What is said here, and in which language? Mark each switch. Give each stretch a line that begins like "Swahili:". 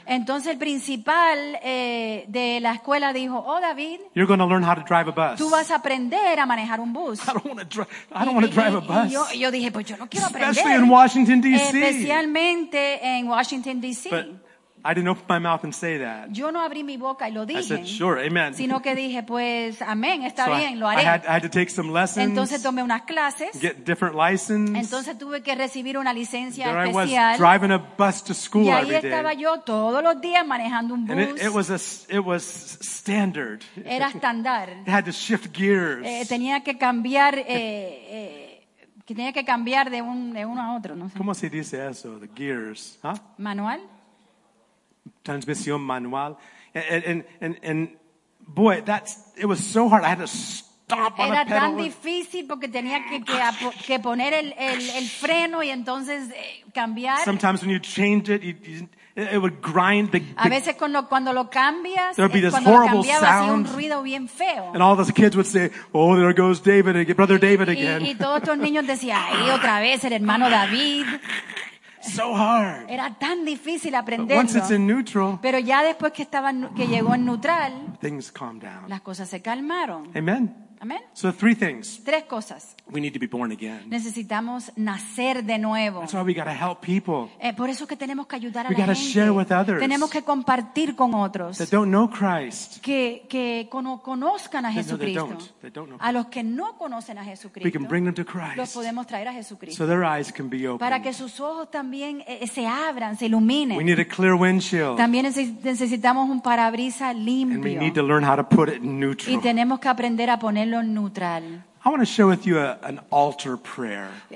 Spanish: Entonces el principal de la escuela dijo, "Oh, David."
English: You're going to learn how to drive a bus.
Spanish: Tú vas a aprender a manejar un bus.
English: I don't want to drive a bus.
Spanish: Yo dije, pues yo no quiero aprender.
English: Especially in Washington D.C.
Spanish: Especialmente en Washington D.C.
English: I didn't open my mouth and say that.
Spanish: Yo no abrí mi boca y lo dije.
English: I said, sure, amen.
Spanish: Sino que dije, pues, amén, está
English: so
Spanish: bien,
English: I,
Spanish: lo haré.
English: I had to take some lessons.
Spanish: Entonces tomé unas clases.
English: Get different license.
Spanish: Entonces tuve que recibir una licencia
English: there
Spanish: especial.
English: There I was driving a bus to school every day.
Spanish: Y ahí estaba yo todos los días manejando un bus.
English: And it was standard.
Spanish: Era estándar.
English: It had to shift gears.
Spanish: Tenía que cambiar que tenía que cambiar de uno a otro, no sé. ¿Cómo se dice eso?
English: The gears,
Spanish: ¿ah? Huh? Manual. Transmisión manual.
English: And boy, it was so hard. I had to stop on
Spanish: era Era tan difícil porque tenía que poner el freno y entonces cambiar.
English: Sometimes when you change it, it would grind the
Spanish: a veces cuando lo cambias,
English: there would be this
Spanish: cuando
English: horrible
Spanish: cambiaba,
English: sound.
Spanish: Hacía un ruido bien feo.
English: And all those kids would say, "Oh, there goes David again, brother David again."
Spanish: Y todos estos niños decían, "Ahí otra vez el hermano David."
English: So hard.
Spanish: Era tan difícil aprenderlo.
English: But once it's in neutral,
Spanish: pero ya después que estaba que llegó en neutral,
English: things calm down.
Spanish: Las cosas se calmaron.
English: Amen.
Spanish: Amen.
English: So three things.
Spanish: Tres cosas.
English: We need to be born again.
Spanish: Necesitamos nacer de nuevo.
English: That's why we got to help people.
Spanish: Por eso que tenemos que ayudar a la gente.
English: We got to share with others.
Spanish: Tenemos que compartir con otros.
English: That don't know Christ.
Spanish: Que conozcan a Jesucristo.
English: No, they don't know
Spanish: a los que no conocen a Jesucristo.
English: We can bring them to Christ.
Spanish: Los podemos traer a Jesucristo.
English: So their eyes can be opened.
Spanish: Para que sus ojos también se abran, se iluminen.
English: We need a clear windshield.
Spanish: También necesitamos un parabrisas limpio.
English: And we need to learn how to put it in neutral.
Spanish: Y tenemos que aprender a ponerlo en neutral.
English: I want to share with you an altar prayer.